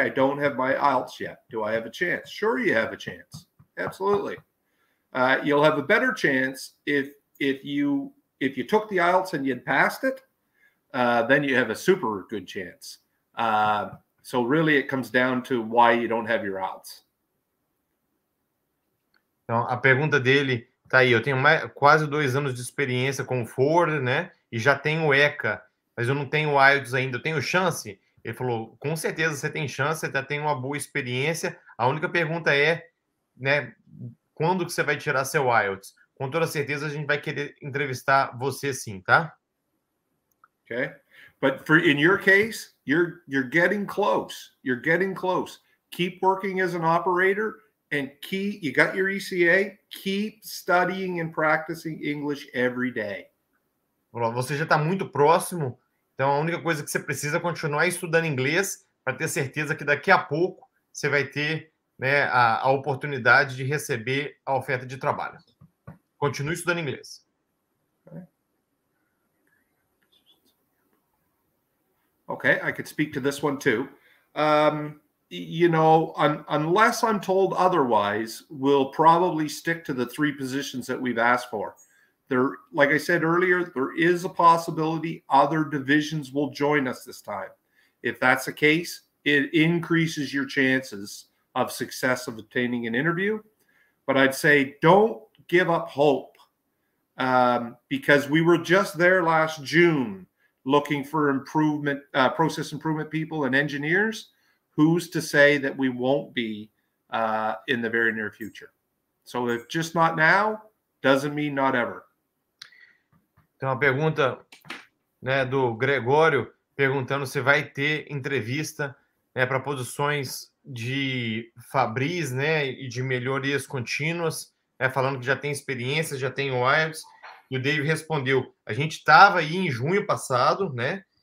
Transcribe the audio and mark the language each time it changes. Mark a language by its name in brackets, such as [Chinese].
[English] I don't have my IELTS yet. Do I have a chance? Sure, you have a chance. Absolutely. You'll have a better chance if you took the IELTS and you'd passed it. Then you have a super good chance. So really, it comes down to why you don't have your IELTS. [Portuguese] Então, a pergunta dele tá aí. Eu tenho mais, quase 2 anos de experiência com o Ford, né? E já tenho o ECA, mas eu não tenho o IELTS ainda. Eu tenho chance? Ele falou, com certeza você tem chance, você tem uma boa experiência. A única pergunta é, né, quando que você vai tirar seu IELTS? Com toda certeza, a gente vai querer entrevistar você sim, tá? [English] Okay. But for in your case, you're getting close. You're getting close. Keep working as an operator and keep, you got your ECA, keep studying and practicing English every day. [Portuguese] Você já está muito próximo. Então a única coisa que você precisa é continuar estudando inglês para ter certeza que daqui a pouco você vai ter, né, a oportunidade de receber a oferta de trabalho. Continue estudando inglês. [English] Okay, I could speak to this one too. You know, unless I'm told otherwise, we'll probably stick to the three positions that we've asked for. There, like I said earlier, there is a possibility other divisions will join us this time. If that's the case, it increases your chances of success of obtaining an interview. But I'd say don't give up hope, because we were just there last June looking for improvement, process improvement people and engineers. Who's to say that we won't be in the very near future? So if just not now, doesn't mean not ever. [Portuguese] Tem uma pergunta, né, do Gregório perguntando se vai ter entrevista, né, para posições de Fabris, né, e de melhorias contínuas, né, falando que já tem experiência, já tem o IELTS. E o Dave respondeu, a gente estava aí em junho passado, né?